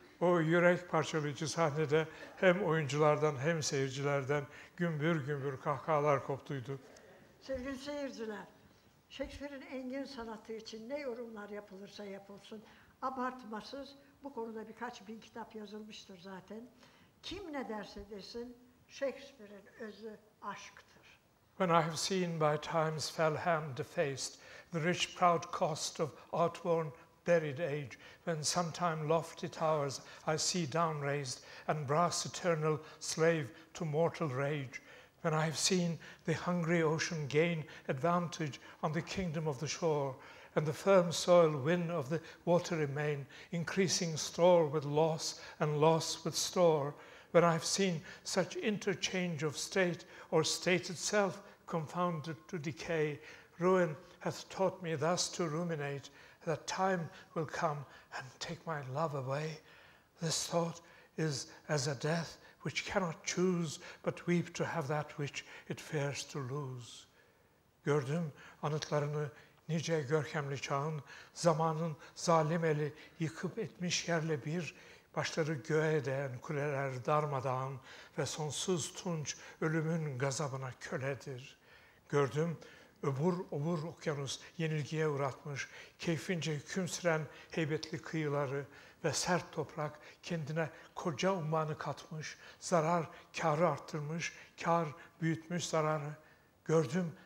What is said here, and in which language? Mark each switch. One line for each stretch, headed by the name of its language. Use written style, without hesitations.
Turkish: O yürek parçalayıcı sahnede hem oyunculardan hem seyircilerden gümbür gümbür kahkahalar koptuydu. Sevgili seyirciler, Shakespeare'in engin sanatı için ne yorumlar yapılırsa yapılsın, abartmasız bu konuda birkaç bin kitap yazılmıştır zaten. Kim ne derse desin, Shakespeare'in özü aşktır.
English: When I have seen by time's fell hand defaced the rich proud cost of outworn buried age, when sometime lofty towers I see downraised and brass eternal slave to mortal rage, when I have seen the hungry ocean gain advantage on the kingdom of the shore, and the firm soil win of the watery main, increasing store with loss and loss with store, when I have seen such interchange of state or state itself confounded to decay, ruin hath taught me thus to ruminate, that time will come and take my love away. This thought is as a death which cannot choose but weep to have that which it fears to lose.
Turkish: Gördüm anıtlarını nice görkemli çağın, zamanın zalim eli yıkıp etmiş yerle bir, başları göğe değen kuleler darmadağın ve sonsuz tunç ölümün gazabına köledir. Gördüm öbür obur okyanus yenilgiye uğratmış, keyfince hüküm süren heybetli kıyıları ve sert toprak kendine koca ummanı katmış, zarar kârı arttırmış, kâr büyütmüş zararı. Gördüm